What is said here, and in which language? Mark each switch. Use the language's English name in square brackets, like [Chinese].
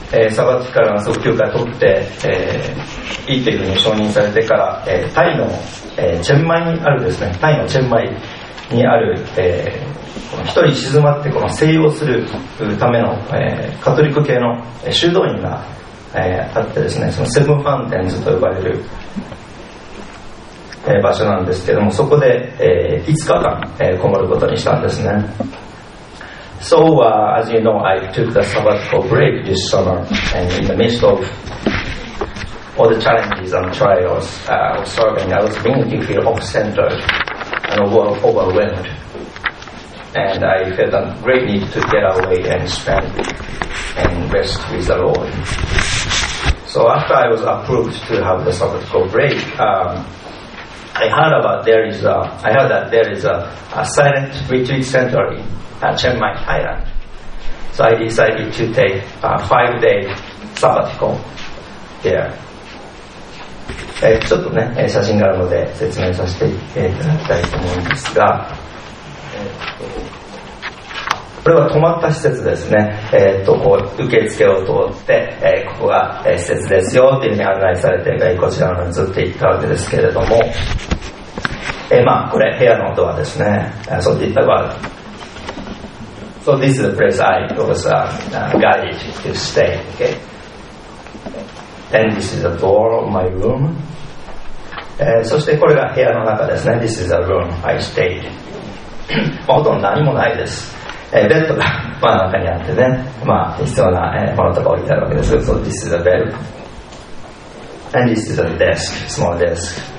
[Japanese] サバティカルの即休暇を取って、いいというふうに承認されてから、タイの、チェンマイにあるですね、タイのチェンマイにある、一人静まってこの静養するための、カトリック系の修道院が、あってですね、そのセブンファンテンズと呼ばれる、場所なんですけども、そこで、5日間、こもることにしたんですね。 [English] So as you know, I took the sabbatical break this summer and in the midst of all the challenges and trials of serving, I was beginning to feel off-centered and overwhelmedAnd I felt a great need to get away and spend and rest with the Lord. So after I was approved to have the sabbatical break, I heard that there is a silent retreat center in Chiang Mai, Thailand. So I decided to take a 5-day sabbatical there. [Japanese] ちょっとね、写真があるので説明させていただきたいと思うんですが。これは泊まった施設ですね。こう受付を通って、ここが施設ですよというふうに案内されて、こちらの方に移っていったわけですけれども、まあ、これ部屋のドアですね。そういったドア。 [English] So this is the place I was guided to stay. Okay. And this is the door of my room. [Japanese] そしてこれが部屋の中ですね。 [English] This is the room I stayed. [Japanese] ほとんど何もないです。ベッドが真ん中にあってね、まあ、必要なものとか置いてあるわけです。 [English] So this is a bed. And this is a desk, small desk.